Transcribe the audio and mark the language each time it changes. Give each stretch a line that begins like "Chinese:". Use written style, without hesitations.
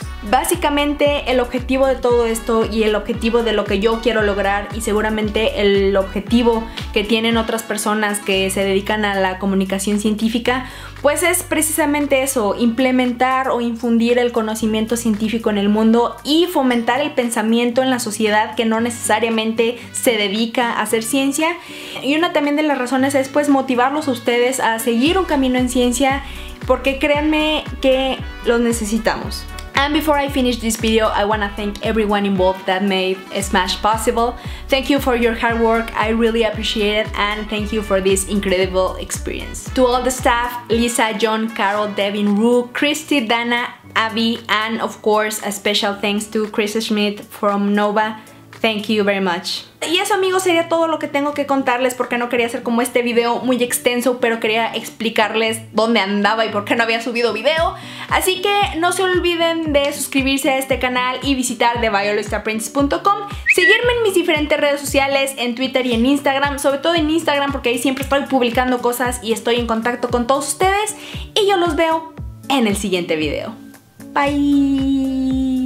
Spanish: Básicamente, el objetivo de todo esto y el objetivo de lo que yo quiero lograr, y seguramente el objetivo que tienen otras personas que se dedican a la comunicación científica, pues es precisamente eso: implementar o infundir el conocimiento científico en el mundo y fomentar el pensamiento en la sociedad que no necesariamente se dedica a hacer ciencia. Y una también de las razones es, pues, motivarlos a ustedes a seguir un camino en ciencia, porque créanme que los necesitamos.
English: And before I finish this video, I want to thank everyone involved that made Smash possible. Thank you for your hard work, I really appreciate it, and thank you for this incredible experience. To all the staff, Lisa, John, Carol, Devin, Rue, Christy, Dana, Abby, and of course, a special thanks to Chris Schmidt from Nova. Thank you very much.
Spanish: Y eso, amigos, sería todo lo que tengo que contarles, porque no quería hacer como este video muy extenso, pero quería explicarles dónde andaba y por qué no había subido video. Así que no se olviden de suscribirse a este canal y visitar theviolistaprincess.com. Seguirme en mis diferentes redes sociales, en Twitter y en Instagram, sobre todo en Instagram, porque ahí siempre estoy publicando cosas y estoy en contacto con todos ustedes. Y yo los veo en el siguiente video. Bye.